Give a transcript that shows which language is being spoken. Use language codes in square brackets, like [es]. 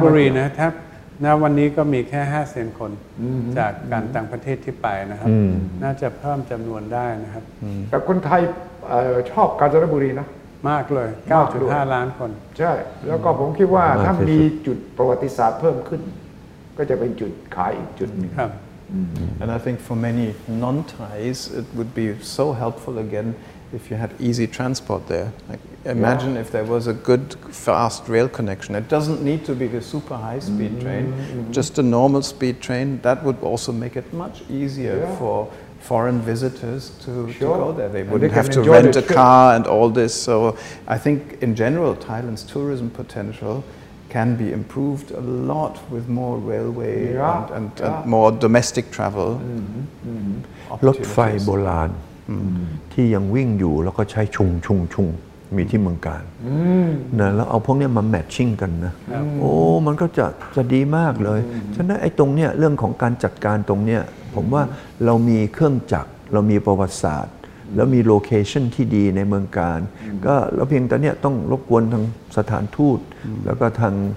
[th] าบุรีนะครับณวันนี้ก็มีแค่ 500,000 คนจากการต่างประเทศที่ไปนะครับน่าจะเพิ่มจำนวนได้นะครับ แต่คนไทยชอบกาญจนบุรีนะ มากเลย 9.5 ล้านคน ใช่แล้วก็ผมคิดว่าถ้ามีจุดประวัติศาสตร์เพิ่มขึ้นก็จะเป็นจุดขายอีกจุดนึง ครับ [en] And I think for many non-Thais it would be so helpful againIf you had easy transport there, like imagine if there was a good fast rail connection. It doesn't need to be the super high speed train, just a normal speed train. That would also make it much easier for foreign visitors to go there. They wouldn't have to rent a car and all this. So I think in general, Thailand's tourism potential can be improved a lot with more railway and more domestic travel. [th] รถไฟโบราณที่ยังวิ่งอยู่แล้วก็ใช้ชุงมีที่เมืองการนะแล้วเอาพวกนี้มาแมทชิ่งกันนะโอ้มันก็จะดีมากเลยฉะนั้นไอ้ตรงเนี้ยเรื่องของการจัดการตรงเนี้ยผมว่าเรามีเครื่องจักรเรามีประวัติศาสตร์แล้วมีโลเคชั่นที่ดีในเมืองการก็เราเพียงแต่เนี้ยต้องรบกวนทางสถานทูตแล้วก็ทาง